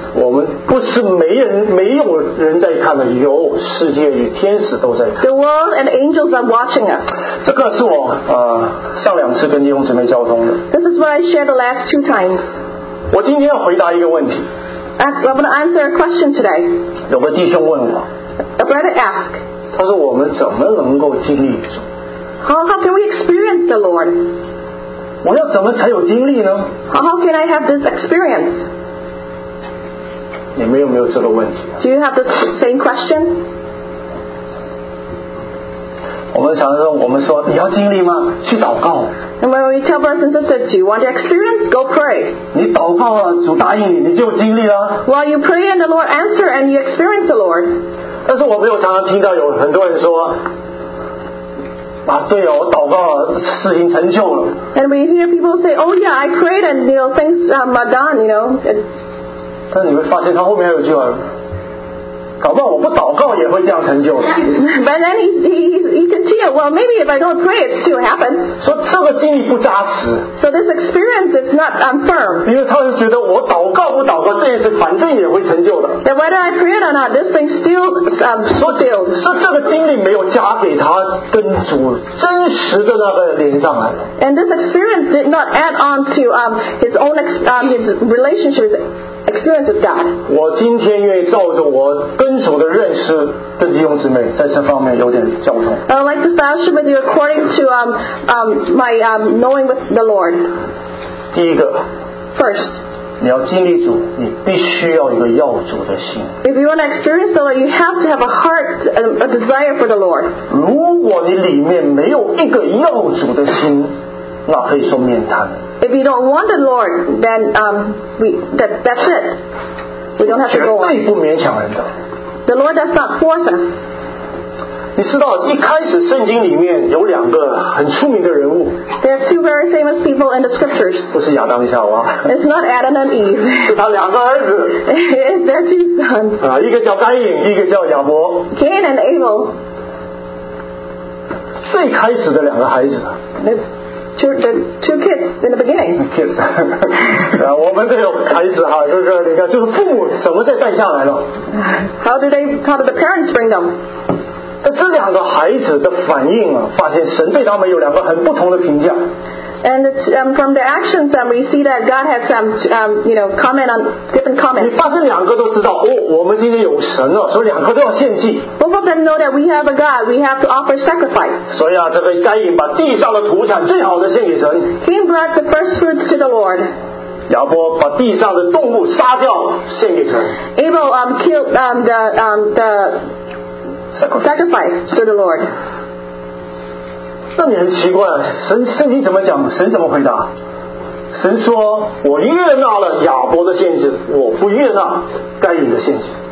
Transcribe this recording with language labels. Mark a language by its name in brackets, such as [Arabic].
[Chinese] 我们不是没有人在看的，有世界与天使都在看。 [English] The world and angels are watching us. [Chinese] 这个是我上两次跟弟兄姊妹交通的。 [English] This is what I shared the last two times. [Chinese] 我今天要回答一个问题。 [English] I'm going to answer a question today. [Chinese] 有个弟兄问我。 [English] A brother asked. [Chinese] 他说我们怎么能够经历主？ [English] How can we experience the Lord? [Chinese] 我要怎么才有经历呢？ [English] How can I have this experience? [Chinese] 你们有没有这个问题？ [English] Do you have the same question? [Chinese] 我们常常我们说你要经历吗？去祷告。 [English] And when we tell brothers and sisters, do you want to experience? Go pray. [Chinese] 你祷告了，主答应你，你就经历了。 [English] While you pray and the Lord answer and you experience the Lord. [Chinese] 但是我没有常常听到有很多人说，啊，对哦，我祷告了，事情成就了。 [English] And we hear people say, oh yeah, I prayed and things are done. [Chinese] 但你会发现他后面还有句话，搞不好我不祷告也会这样成就。 [English] But then he continued, well, maybe if I don't pray, it still happens. [Chinese] 说这个经历不扎实。 [English] So this experience is not firm. [Chinese] 因为他就觉得我祷告不祷告，这件事反正也会成就的。 [English] That whether I pray or not, this thing still fulfilled. [Chinese] 说这个经历没有加给他跟主真实的那个连上来。 [English] And this experience did not add on to his own his relationship with experience with God. [Chinese] 我今天愿意照着我跟主的认识的弟兄姊妹在这方面有点教宗。 [English] I would like to fellowship with you according to my knowing with the Lord. [Chinese] 第一个 [English] First, [Chinese] 你要经历主，你必须要一个要主的心。 [English] If you want to experience the Lord, you have to have a heart, a desire for the Lord. [Chinese] 如果你里面没有一个要主的心，那可以说面瘫。 [English] If you don't want the Lord, then that's it. We don't have to go on. [Chinese] 绝对不勉强人的。 [English] The Lord does not force us. [Chinese] 你知道一开始圣经里面有两个很出名的人物。 [English] There are two very famous people in the scriptures. [Chinese] 不是亚当夏娃。 [English] It's not Adam and Eve. [Chinese] 是他两个儿子。 [English] It's their two sons. [Chinese] 一个叫该隐，一个叫亚伯。 [English] Cain and Abel. [Chinese] 最开始的两个孩子。 [English] Two kids in the beginning. Kids. [Chinese] 我们都有孩子哈，就是你看，就是父母怎么再带下来了。 [English] How did the parents bring them? [Chinese] 那这两个孩子的反应啊，发现神对他们有两个很不同的评价。 [English] And from the actions, we see that God has comment on different comments. [Chinese] 你发现两个都知道哦，我们今天有神了，所以两个都要献祭。 [English] Both of them know that we have a God, we have to offer sacrifice. [Chinese] 所以啊，这个该隐把地上的土产最好的献给神。 [English] Cain brought the first fruits to the Lord. [Chinese] 亚伯把地上的动物杀掉献给神。 [English] Abel killed the sacrifice to the Lord. [Chinese] 那你很奇怪，神圣经怎么讲？神怎么回答？神说：“我悦纳了亚伯的献祭，我不悦纳该隐的献祭。”